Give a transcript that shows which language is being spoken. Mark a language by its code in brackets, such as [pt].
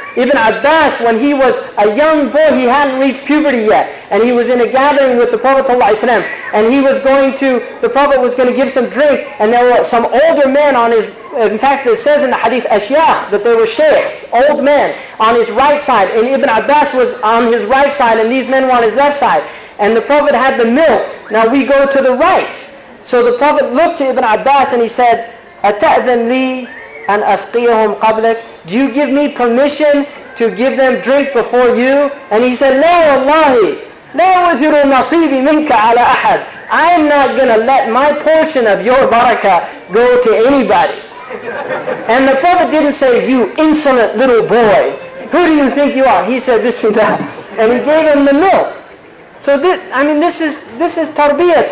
[en] Ibn Abbas, when he was a young boy, he hadn't reached puberty yet, and he was in a gathering with the Prophet ﷺ, and the Prophet was going to give some drink, and there were some older men on his, in fact it says in the hadith, ashyakh, that they were sheikhs, old men, on his right side, and Ibn Abbas was on his right side, and these men were on his left side, and the Prophet had the milk. Now we go to the right. So the Prophet looked to Ibn Abbas and he said, [ar] أَتَأْذَنْ لِي أَنْ أَسْقِيَهُمْ قَبْلَكَ. [en] Do you give me permission to give them drink before you? And he said, [ar] لَا وَاللَّهِ لَا وَثِرُ نَصِيبِ مِنْكَ عَلَىٰ أَحَدٍ. [en] I'm not going to let my portion of your barakah go to anybody. And the Prophet didn't say, you insolent little boy, who do you think you are? He said, Bismillah. And he gave him the milk. So this is tarbiyah.